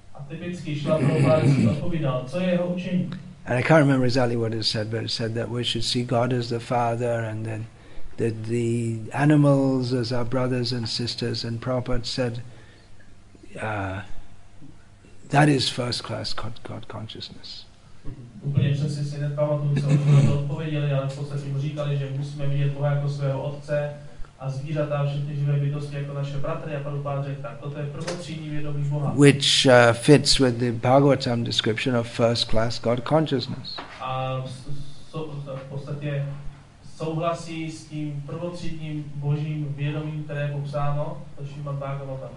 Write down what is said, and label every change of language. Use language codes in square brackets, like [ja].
[en] And I can't remember exactly what it said, but it said that we should see God as the Father, and then the animals as our brothers and sisters. And Prabhupada said, that is first class God consciousness. [cs] Úplně přesně si nepamatuju, co mu to odpověděli, ale v podstatě mu říkali, že musíme vidět Boha jako svého otce a zvířata a všechny živé bytosti jako naše bratry. A Prabhupada řekl, tak toto je prvotřídní vědomí Boha. [en] Which fits with the Bhagavatam description of first class God consciousness. [cs] A v podstatě souhlasí s tím prvotřídním božím vědomím, které je popsáno, to Šrimad Bhagavatam.